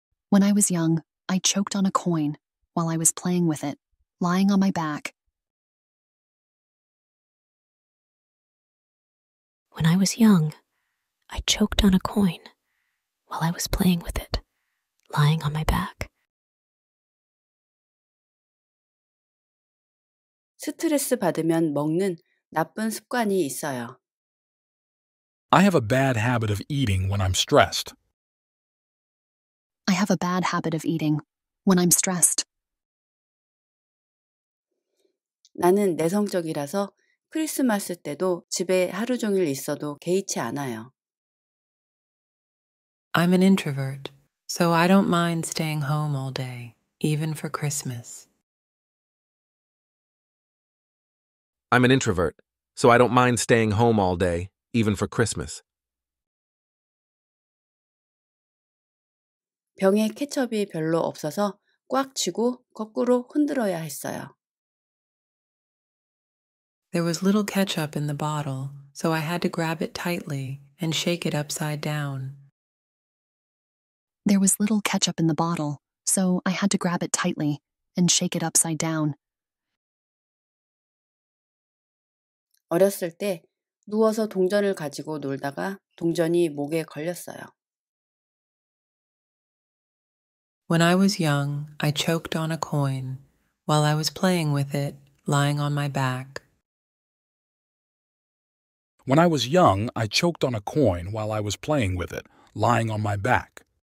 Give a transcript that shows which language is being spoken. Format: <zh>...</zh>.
<en>When I was young, I choked on a coin while I was playing with it, lying on my back. When I was young, I choked on a coin while I was playing with it, lying on my back.</en> <ko>스트레스 받으면 먹는 나쁜 습관이 있어요.</ko> <en>I have a bad habit of eating when I'm stressed. I have a bad habit of eating when I'm stressed.</en> <ko>나는 내성적이라서 크리스마스 때도 집에 하루 종일 있어도 개의치 않아요.</ko> <en>I'm an introvert, so I don't mind staying home all day, even for Christmas. I'm an introvert, so I don't mind staying home all day, even for Christmas.</en> <ko>병에 케첩이 별로 없어서 꽉 쥐고 거꾸로 흔들어야 했어요.</ko> <en>There was little ketchup in the bottle, so I had to grab it tightly and shake it upside down. There was little ketchup in the bottle, so I had to grab it tightly and shake it upside down.</en> <ko>어렸을 때 누워서 동전을 가지고 놀다가 동전이 목에 걸렸어요.</ko> <en>When I was young, I choked on a coin. While I was playing with it, lying on my back. When I was young, I choked on a coin while I was playing with it, lying on my back.</en>